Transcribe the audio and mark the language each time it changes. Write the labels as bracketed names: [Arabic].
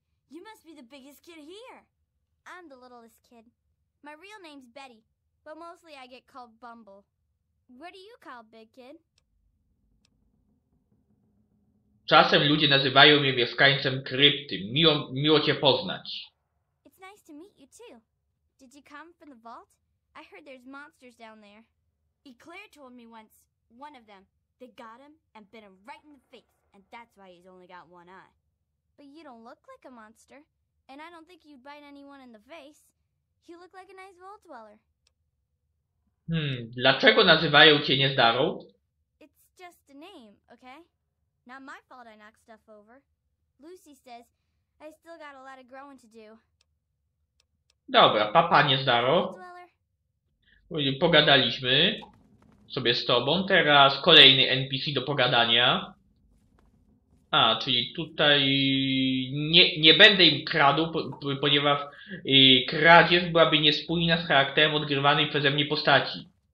[English] You must be the biggest kid here. I'm the littlest kid. My real name's Betty, but mostly I get called Bumble. What do you call big kid? [Polish] Czasem ludzie nazywają mnie mieszkańcem krypty. Miło cię poznać. [English] It's nice to meet you too. Did you come from the vault? I heard there's monsters down there. Eclair told me once, one of them, they got him and bit him right in the face, and that's why he's only got one eye. But you don't look like a monster, and I don't think you'd bite anyone in the face. You look like a nice vault dweller. [Polish] Dlaczego nazywają cię Niezdarą? [English] It's just a name, okay? Not my fault I knocked stuff over. Lucy says I still got a lot of growing to do. [Polish] Dobra, papa Niezdaro. Pogadaliśmy sobie z tobą. Teraz kolejny NPC do pogadania. A, czyli tutaj nie będę im kradł, ponieważ kradzież byłaby niespójna z charakterem odgrywanej przeze mnie postaci.